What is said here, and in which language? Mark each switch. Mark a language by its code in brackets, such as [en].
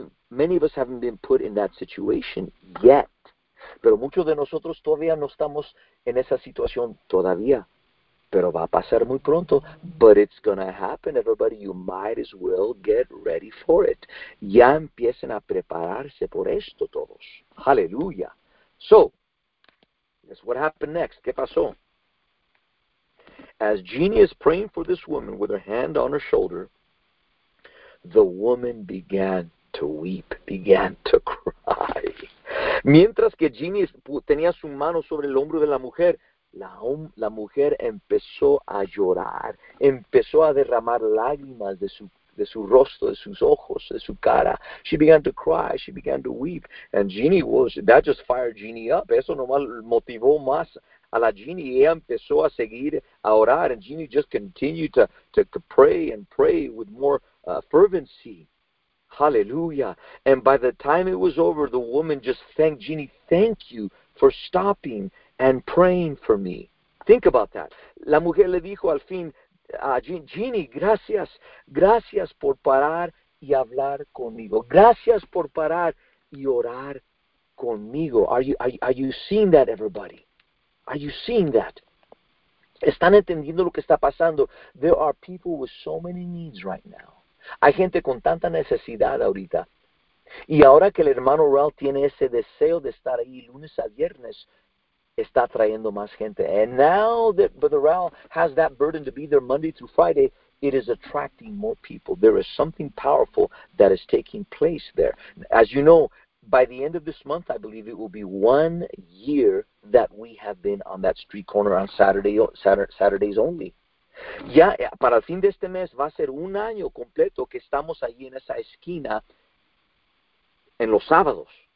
[en] Many of us haven't been put in that situation yet. [es] Pero muchos de nosotros todavía no estamos en esa situación todavía. Pero va a pasar muy pronto. [en] But it's going to happen, everybody. You might as well get ready for it. [es] Ya empiecen a prepararse por esto todos. Hallelujah. [en] So, guess what happened next? [es] ¿Qué pasó? [en] As Jeannie is praying for this woman with her hand on her shoulder, the woman began to weep, began to cry. [es] Mientras que Jeannie tenía su mano sobre el hombro de la mujer, la mujer empezó a llorar, empezó a derramar lágrimas de su rostro, de sus ojos, de su cara. [en] She began to cry, she began to weep. And Jeannie was, that just fired Jeannie up. [es] Eso nomás motivó más a la Jeannie, y ella empezó a seguir a orar. [en] And Jeannie just continued to pray and pray with more fervency. Hallelujah. And by the time it was over, the woman just thanked Jeannie. Thank you for stopping and praying for me. Think about that. [es] La mujer le dijo al fin a Jeannie, gracias, gracias por parar y hablar conmigo. Gracias por parar y orar conmigo. [en] Are you seeing that, everybody? Are you seeing that? [es] ¿Están entendiendo lo que está pasando? [en] There are people with so many needs right now. [es] Hay gente con tanta necesidad ahorita. Y ahora que el hermano Ralph tiene ese deseo de estar ahí lunes a viernes, está trayendo más gente. [en] And now that Brother Ralph has that burden to be there Monday through Friday, it is attracting more people. There is something powerful that is taking place there. As you know, by the end of this month, I believe it will be 1 year that we have been on that street corner on Saturdays only. [es] Ya para el fin de este mes va a ser un año completo que estamos allí en esa esquina en los sábados.